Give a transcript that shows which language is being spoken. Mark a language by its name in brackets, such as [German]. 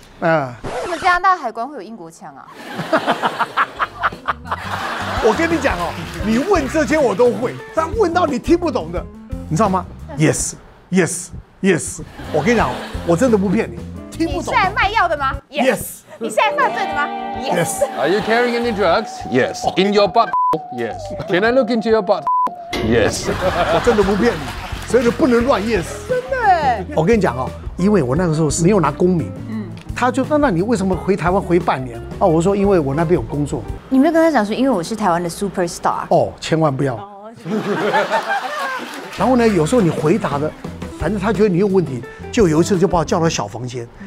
[Chinese] 为什么加拿大海关会有英国腔啊？我跟你讲哦，你问这些我都会，但问到你听不懂的，你知道吗？ [English] Yes, yes, yes. [Chinese] 我跟你讲，我真的不骗你，听不懂。你是来卖药的吗 [English] ？Yes. [Chinese] 你是来犯罪的吗 [English] ？Yes. Are you carrying any drugs? Yes. In your butt? Yes. Can I look into your butt? Yes. [Chinese] 我真的不骗你。所以就不能乱 yes，真的。我跟你讲哦，因为我那个时候是没有拿公民，他就那你为什么回台湾回半年？哦，我说因为我那边有工作。你没有跟他讲说，因为我是台湾的 super star。哦，千万不要。然后呢，有时候你回答的，反正他觉得你有问题，就有一次就把我叫到小房间。